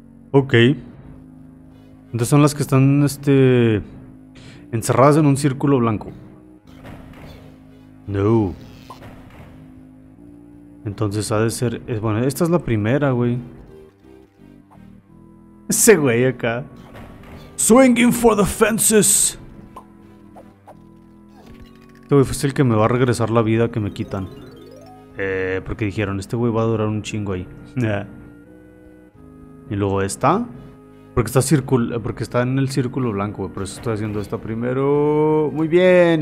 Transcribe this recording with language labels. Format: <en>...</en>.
<es>Ok. Entonces son las que están, encerradas en un círculo blanco. No. Entonces ha de ser... Bueno, esta es la primera, güey. Ese güey acá.</es> <en>Swinging for the fences.</en> <es>Este güey fue el que me va a regresar la vida que me quitan. Porque dijeron, este güey va a durar un chingo ahí. Y luego esta. Porque está porque está en el círculo blanco, güey. Por eso estoy haciendo esta primero. Muy bien.</es>